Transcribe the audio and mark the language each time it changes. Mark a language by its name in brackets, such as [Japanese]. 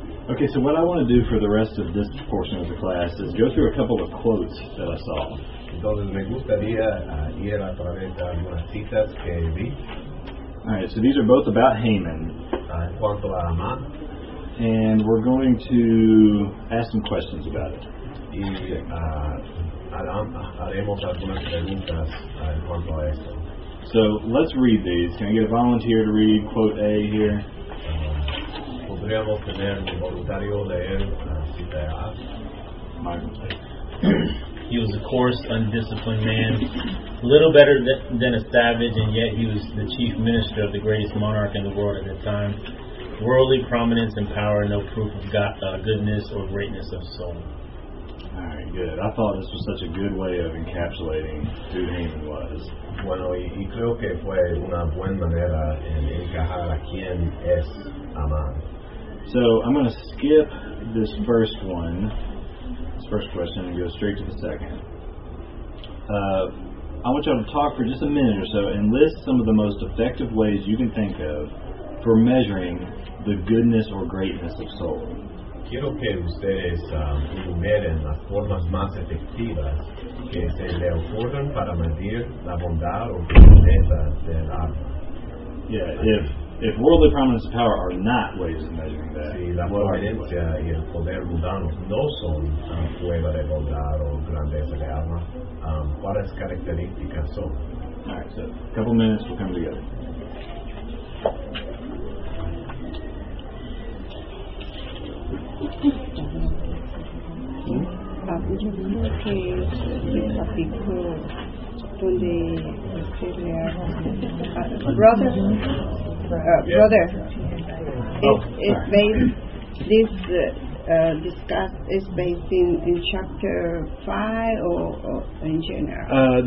[English] Okay, so what I want to do for the rest of this portion of the class is go through a couple of quotes that I saw. [Spanish] Entonces me gustaría ir a través de algunas citas que vi. [English] All right, so these are both about Haman. [Spanish] En cuanto a Amán. [English] And we're going to ask some questions about it. [Spanish] Y haremos algunas preguntas en cuanto a esto. [English] So let's read these. Can I get a volunteer to read quote A here? [Spanish] Podríamos tener un voluntario leer la cita A. [English] Michael, please. He was a coarse, undisciplined man, little better than a savage, and yet he was the chief minister of the greatest monarch in the world at the time. Worldly prominence and power, no proof of God, goodness or greatness of soul. Alright, good. I thought this was such a good way of encapsulating who Haman was. [Spanish] Bueno, y creo que fue una buena manera en encajar a quien es Amán. [English] So, I'm going to skip this first one. First question and go straight to the second. I want y'all to talk for just a minute or so and list some of the most effective ways you can think of for measuring the goodness or greatness of soul. [Spanish] Quiero que ustedes enumeren las formas más efectivas que se le ocurren para medir la bondad o grandeza del alma. [English] Yeah, if worldly prominence and power are not ways of measuring that, [Spanish] sí, la prominencia y el poder mundano no son prueba de bondad o grandeza de alma, ¿cuáles características son? [English] All right, so a couple minutes, we'll come together. [Spanish] Yo vi que el artículo donde usted le habla [English] brother, brother, it's based this discuss is based in chapter 5 or in general.